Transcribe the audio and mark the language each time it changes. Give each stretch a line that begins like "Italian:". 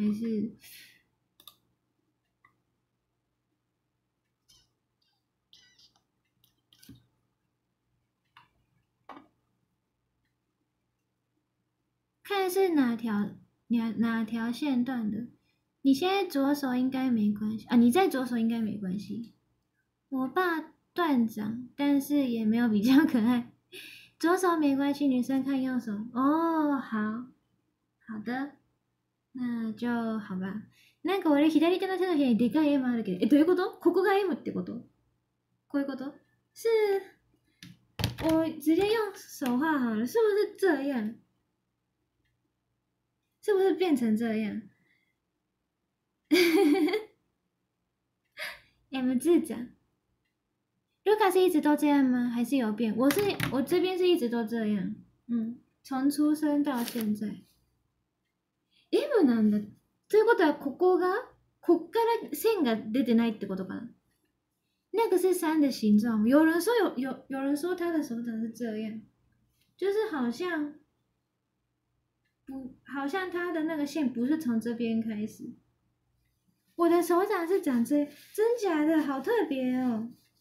Chinese: 还是看是哪条线断的？你现在左手应该没关系啊，你在左手应该没关系。我爸断掌，但是也没有比较可爱。左手没关系，女生看右手哦。好，好的，那就好吧。
Japanese: なんか俺左手の手のひらにでかい M あるけど、え、どういうこと？ここが M ってこと？こういうこと？
Chinese: 是，我直接用手画好了，是不是这样？是不是变成这样？M 字掌。卢卡是一直都这样吗？还是有变？我这边是一直都这样，从出生到现在。
Japanese: M なんだ。ということはここがこっから線が出てないってことかな？
Chinese: 那个是山的形状。有人说他的手掌是这样，就是好像他的那个线不是从这边开始。我的手掌是长这样，真假的，好特别哦。